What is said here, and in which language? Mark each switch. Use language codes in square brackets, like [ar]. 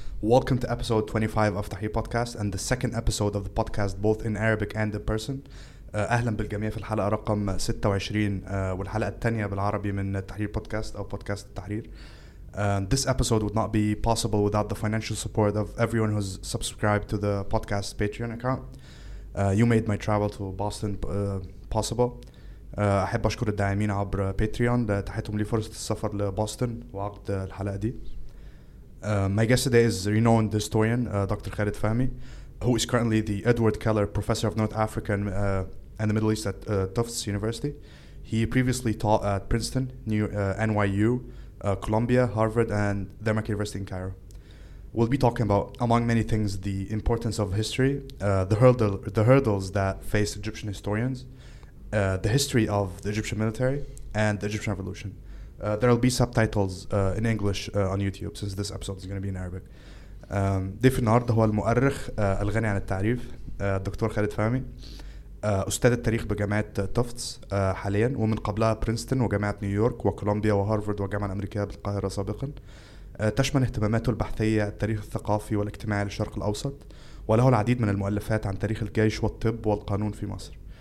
[en] Welcome to episode 25 of Tahi Podcast and the second episode of the podcast, both in Arabic and in person. [ar] أهلا بالجميع في الحلقة رقم 26 والحلقة الثانية بالعربي من التحرير بودكاست أو بودكاست التحرير. [en] This episode would not be possible without the financial support of everyone who's subscribed to the podcast Patreon account. You made my travel to Boston possible. [ar] أحب أشكر الداعمين عبر Patreon لتحتهم لي فرصة السفر لبوسطن وعقد الحلقة دي. [en] My guest today is renowned historian Dr. Khaled Fahmy, who is currently the Edward Keller Professor of North Africa and the Middle East at Tufts University. He previously taught at Princeton, NYU, Columbia, Harvard, and the American University in Cairo. We'll be talking about, among many things, the importance of history, the hurdles that face Egyptian historians, the history of the Egyptian military, and the Egyptian Revolution. There will be subtitles in English on YouTube, since this episode is going to be in Arabic. [ar] ضيف النهارده هو المؤرخ الغني عن التعريف الدكتور خالد فهمي, استاذ التاريخ بجامعه تفتس حاليا ومن قبلها برينستون وجامعه نيويورك وكولومبيا وهارفارد والجامعه الامريكيه بالقاهره سابقا. تشمل اهتماماته البحثيه التاريخ الثقافي والاجتماعي للشرق الاوسط, وله العديد من المؤلفات عن تاريخ الجيش والطب والقانون في مصر.